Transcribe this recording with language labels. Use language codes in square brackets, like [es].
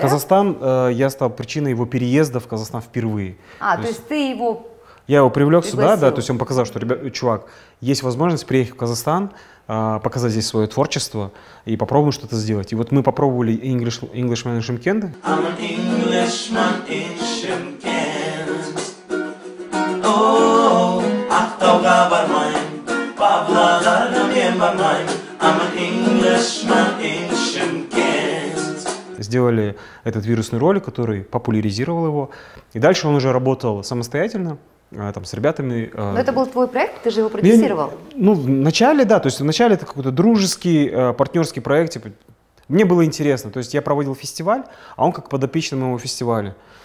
[ru] В Казахстан я стал причиной его переезда в Казахстан впервые. А, то есть ты его... Я его привлек пригласил. Сюда, да, то есть он показал, что, чувак, есть возможность приехать в Казахстан, показать здесь свое творчество и попробуем что-то сделать. И вот мы попробовали Englishman in Shimkent. [en] I'm an Englishman in Shimkent. Oh, Ahtoga Barmai, Pabla Dardamien Barmай. I'm an Englishman in Shimkent. [ru] Сделали этот вирусный ролик, который популяризировал его. И дальше он уже работал самостоятельно. Там, с ребятами. Но это был твой проект, ты же его продюсировал. Ну, вначале, да, то есть вначале это какой-то дружеский, партнерский проект. Типа, мне было интересно, то есть я проводил фестиваль, а он как подопечный моего фестиваля.